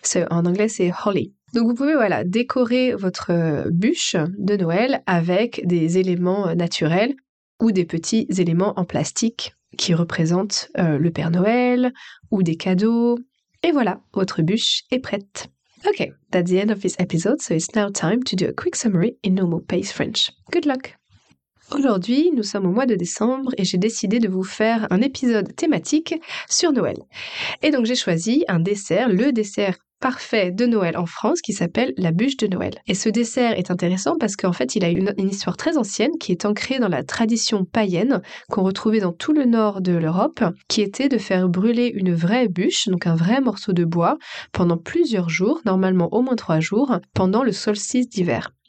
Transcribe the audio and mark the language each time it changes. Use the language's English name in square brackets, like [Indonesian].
[French] En anglais, c'est holly. Donc vous pouvez voilà décorer votre bûche de Noël avec des éléments naturels ou des petits éléments en plastique qui représentent le Père Noël ou des cadeaux. Et voilà, votre bûche est prête. [English] Okay, that's the end of this episode, so it's now time to do a quick summary in normal pace French. Good luck! [French] Aujourd'hui, nous sommes au mois de décembre et j'ai décidé de vous faire un épisode thématique sur Noël. Et donc j'ai choisi un dessert, le dessert parfait de Noël en France qui s'appelle la bûche de Noël. Et ce dessert est intéressant parce qu'en fait il a une histoire très ancienne qui est ancrée dans la tradition païenne qu'on retrouvait dans tout le nord de l'Europe, qui était de faire brûler une vraie bûche, donc un vrai morceau de bois, pendant plusieurs jours, normalement au moins 3 jours, pendant le solstice d'hiver.